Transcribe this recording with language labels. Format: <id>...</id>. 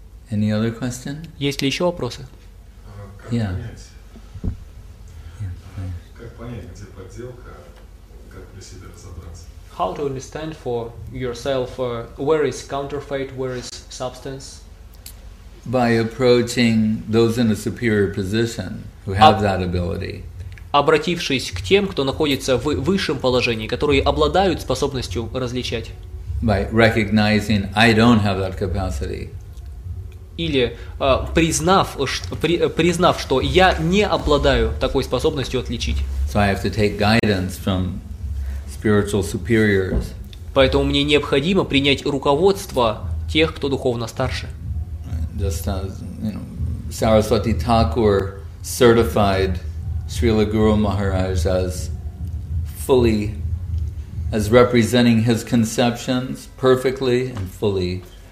<en>Any other question?</en> <ru>Есть ли еще вопросы? Как понять, где подделка, как для себя разобраться?</ru> <en>How to understand for yourself where is counterfeit, where is substance? By approaching those in a superior position who have that ability.</en> <ru>Обратившись к тем, кто находится в высшем положении, которые обладают способностью различать.</ru> <en>By recognizing I don't have that capacity.</en> <ru>Или признав, признав, что я не обладаю такой способностью отличить.</ru> <en>So I have to take guidance from spiritual superiors.</en> <ru>Поэтому мне необходимо принять руководство тех, кто духовно старше.</ru> <en>Just as, you know, Saraswati Thakur certified Srila Guru Maharaj as fully as representing his conceptions perfectly and fully.</en>